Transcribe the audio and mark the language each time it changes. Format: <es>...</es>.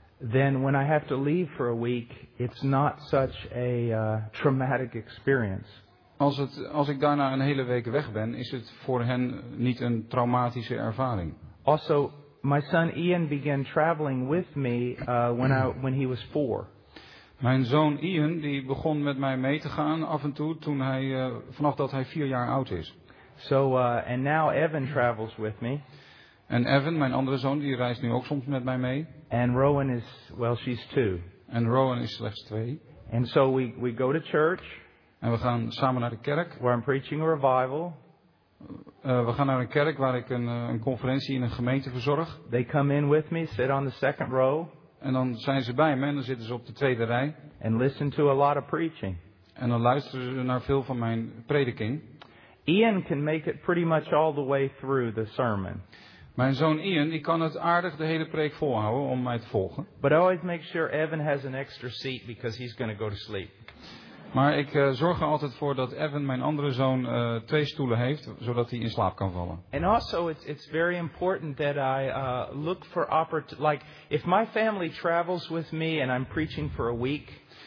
<en>Then when I have to leave for a week, it's not such a traumatic experience.</en> <nl>Als ik daarna een hele week weg ben, is het voor hen niet een traumatische ervaring.</nl> <en>Also, my son Ian began traveling with me when he was 4.</en> <nl>Mijn zoon Ian die begon met mij mee te gaan af en toe toen hij vanaf dat hij 4 jaar oud is.</nl> <en>So and now Evan travels with me.</en> <nl>En Evan, mijn andere zoon, die reist nu ook soms met mij mee.</nl> <en>And Rowan is, well, she's 2.</en> <nl>En Rowan is slechts 2.</nl> <en>And so we go to church.</en> <nl>En we gaan samen naar de kerk.</nl> <en>Where I'm preaching a revival.</en> <nl>We gaan naar een kerk waar ik een conferentie in een gemeente verzorg.</nl> <en>They come in with me, sit on the second row.</en> <nl>En dan zijn ze bij me en dan zitten ze op de tweede rij.</nl> <en>And listen to a lot of preaching.</en> <nl>En dan luisteren ze naar veel van mijn prediking.</nl> <en>Ian can make it pretty much all the way through the sermon.</en> <nl>Mijn zoon Ian, die kan het aardig de hele preek volhouden om mij te volgen.</nl> <en>But I always make sure Evan has an extra seat because he's going to go to sleep.</en> <nl>Maar ik zorg er altijd voor dat Evan, mijn andere zoon, 2 stoelen heeft, zodat hij in slaap kan vallen.</nl> <en>And also it's very important that I look for opportunities. Like if my family travels with me and I'm preaching for a week.</en>